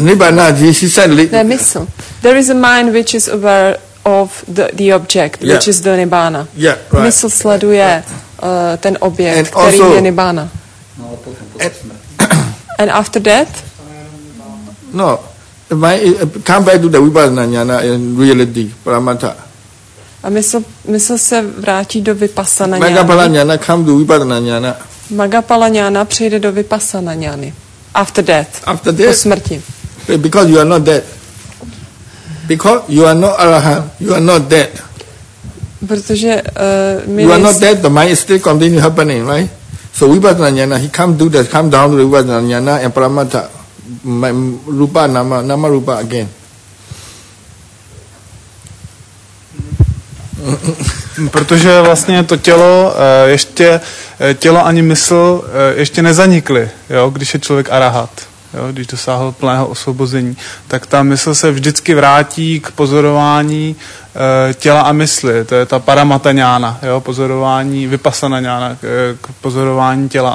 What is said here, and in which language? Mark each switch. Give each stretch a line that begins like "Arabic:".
English: Nibbana, there is a mind which is aware of the object, yeah. Which is the Nibbana. Yeah, right.
Czech: Mysl sleduje ten objekt, který je Nibbana.
English: And after that? No, come back to the Vipassana in reality, Paramattha.
Czech: A mysl se vrátí do Vipassana.
English: Magapala jnana, come to Vipassana jnana.
Czech: Magapala jnana přejde do Vipassana jnany.
English: After death.
Czech: Po smrti.
English: Because you are not dead. Because you are not arahant. You are not dead.
Czech: Protože
English: you are not dead, the mind is still continue happening, right? So Vipassana jnana, he come do that, come down to the Vipassana jnana and paramattha, rupa, nama rupa again.
Czech: Protože vlastně to tělo ještě, tělo ani mysl ještě nezanikly, jo, když je člověk arahat, jo, když dosáhl plného osvobození, tak ta mysl se vždycky vrátí k pozorování těla a mysli, to je ta paramata jnana, jo, pozorování vipassana jnana, k pozorování těla a